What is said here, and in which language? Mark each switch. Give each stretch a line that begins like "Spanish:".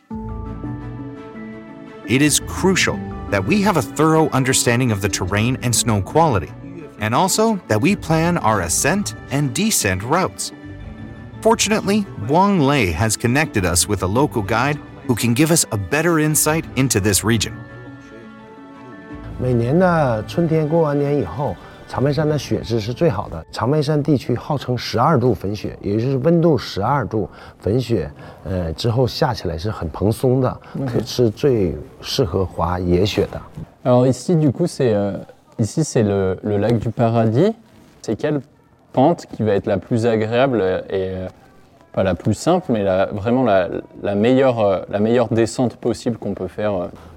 English: is crucial that we have a thorough understanding of the terrain and snow quality, and also that we plan our ascent and descent routes. Fortunately, Wang Lei has connected us with a local guide who can give us a better insight into this region.
Chinese: 每年的春天过完年以后，长白山的雪质是最好的。长白山地区号称12度粉雪，也就是温度12度粉雪，之后下起来是很蓬松的，是最适合滑野雪的。
French: Alors ici, du coup, c'est le lac du paradis. C'est quelle pente qui va être la plus agréable et pas la plus simple, mais la meilleure descente possible qu'on peut faire.